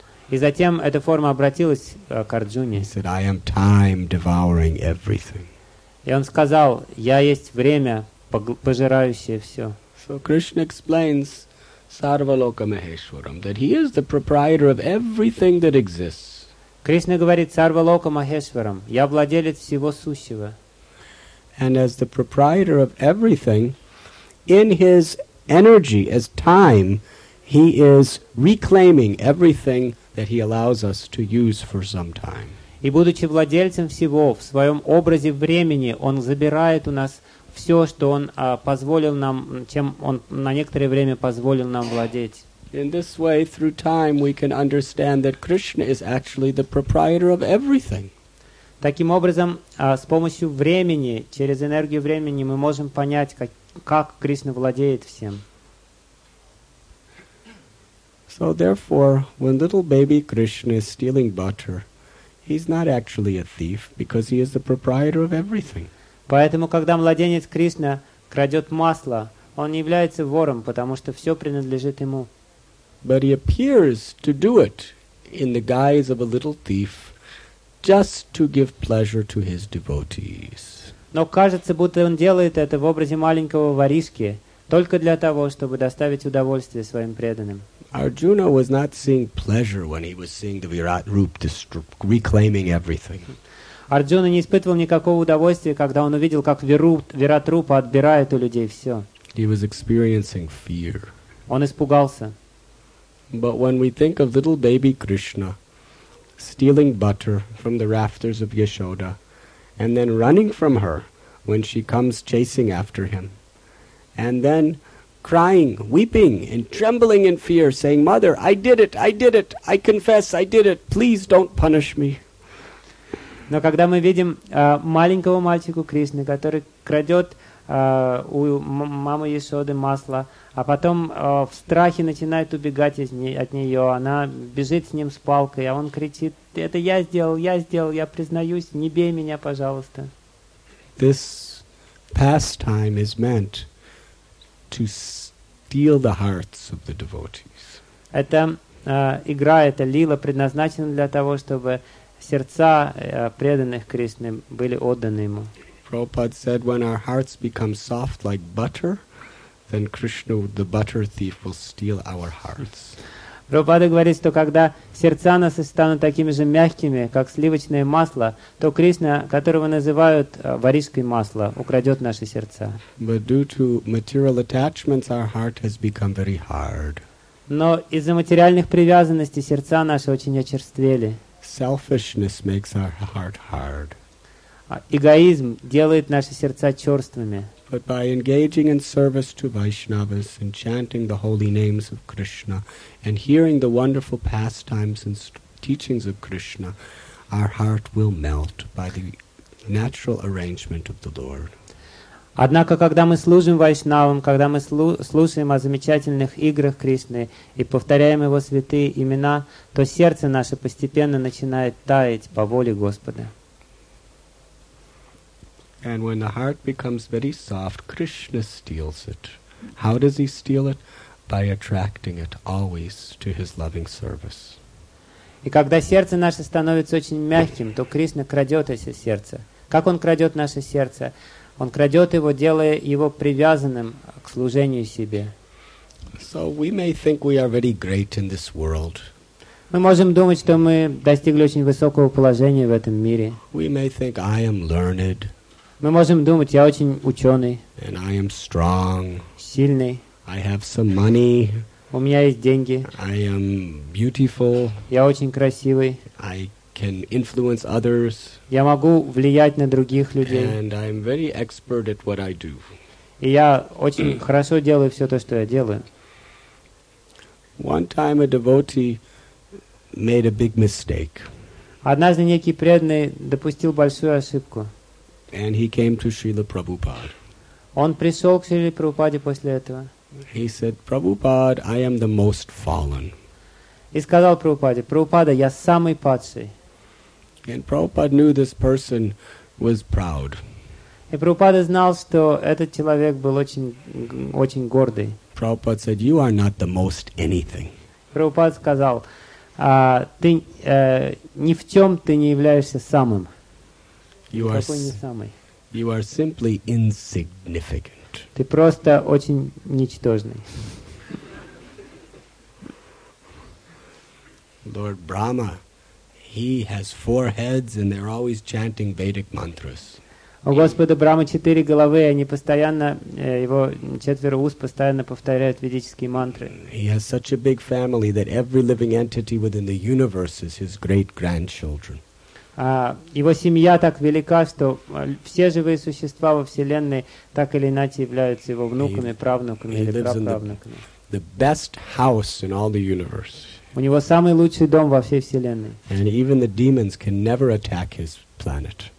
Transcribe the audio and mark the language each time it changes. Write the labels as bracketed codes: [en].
[ru] И затем эта форма обратилась к Арджуне. [en] He said, "I am time devouring everything." [ru] И он сказал, я есть время, пожирающее все. [en] So Krishna explains Sarvaloka Maheshwaram, that he is the proprietor of everything that exists. [ru] Кришна говорит Sarvaloka Maheshwaram, я владелец всего сущего. [en] And as the proprietor of everything, in his energy, as time, he is reclaiming everything that he allows us to use for some time. [ru] И будучи владельцем всего, в своем образе времени, он забирает у нас все, что он позволил нам, чем он на некоторое время позволил нам владеть. [en] In this way, through time, we can understand that Krishna is actually the proprietor of everything. [ru] Таким образом, с помощью времени, через энергию времени, мы можем понять, как Кришна владеет всем. [en] So therefore, when little baby Krishna is stealing butter, he's not actually a thief, because he is the proprietor of everything. [ru] Поэтому, когда младенец Кришна крадет масло, он не является вором, потому что все принадлежит ему. [en] But he appears to do it in the guise of a little thief, just to give pleasure to his devotees. [ru] Но кажется, будто он делает это в образе маленького воришки, только для того, чтобы доставить удовольствие своим преданным. [en] Arjuna was not seeing pleasure when he was seeing the Virat Rupa reclaiming everything. [ru] Arjuna не испытывал никакого удовольствия, когда он увидел, как Вират Рупа отбирает у людей все. [en] He was experiencing fear. [ru] Он испугался. [en] But when we think of little baby Krishna stealing butter from the rafters of Yashoda and then running from her when she comes chasing after him and then crying, weeping, and trembling in fear, saying, Mother, I did it, I did it, I confess, I did it, please don't punish me. [ru] Но когда мы видим маленького мальчика Кришны, который крадет у мамы Ясоды масло, а потом в страхе начинает убегать от нее, она бежит с ним с палкой, а он кричит, это я сделал, я признаюсь, не бей меня, пожалуйста. [en] This pastime is meant to steal the hearts of the devotees. [ru] Эта игра, эта лила предназначена для того, чтобы сердца преданных Кришны были отданы ему. [en] Prabhupada said, when our hearts become soft like butter, then Krishna, the butter thief, will steal our hearts. [ru] Прабхупада говорит, что когда сердца нас станут такими же мягкими, как сливочное масло, то Кришна, которого называют варишкой масла, украдет наши сердца. [en] But due to material attachments, our heart has become very hard. [ru] Но из-за материальных привязанностей сердца наши очень очерствели. [en] Selfishness makes our heart hard. [ru] Эгоизм делает наши сердца черствыми. [en] But by engaging in service to Vaishnavas and chanting the holy names of Krishna and hearing the wonderful pastimes and teachings of Krishna, our heart will melt by the natural arrangement of the Lord. [ru] Однако, когда мы служим Вайшнавам, когда мы слушаем о замечательных играх Кришны и повторяем Его святые имена, то сердце наше постепенно начинает таять по воле Господа. [en] And when the heart becomes very soft, Krishna steals it. How does he steal it? By attracting it always to his loving service. [ru] И когда сердце наше становится очень мягким, то Кришна крадет это сердце. Как он крадет наше сердце? Он крадет его, делая его привязанным к служению себе. [en] So we may think we are very great in this world. [ru] Мы можем думать, что мы достигли очень высокого положения в этом мире. [en] We may think I am learned. [ru] Мы можем думать, я очень ученый. [en] And I am strong. [ru] Сильный. [en] I have some money. [ru] У меня есть деньги. [en] I am beautiful. [ru] Я очень красивый. [en] I can influence others. [ru] Я могу влиять на других людей. [en] And I am very expert at what I do. [ru] И я очень хорошо делаю все то, что я делаю. [en] One time a devotee made a big mistake. [ru] Однажды некий преданный допустил большую ошибку. [en] And he came to Srila Prabhupada. [ru] Он пришел к Шриле Прабхупаде после этого. [en] He said, "Prabhupada, I am the most fallen." [ru] И сказал Прабхупаде, Прабхупада, я самый падший. [en] And Prabhupada knew this person was proud. [ru] И Прабхупада знал, что этот человек был очень, очень гордый. [en] Prabhupada said, "You are not the most anything." [ru] Прабхупада сказал, ты ни в чем ты не являешься самым. [en] You are simply insignificant. [ru] Ты просто очень ничтожный. [en] Lord Brahma, he has four heads and they're always chanting Vedic mantras. [ru] У Господа Брама четыре головы, и они постоянно, его четверо уст постоянно повторяют ведические мантры. [en] He has such a big family that every living entity within the universe is his great-grandchildren. [ru] Его семья так велика, что все живые существа во Вселенной так или иначе являются его внуками, правнуками или праправнуками. [en] The best house in all the universe. [ru] У него самый лучший дом во всей Вселенной. [en] And even the demons can never attack his planet.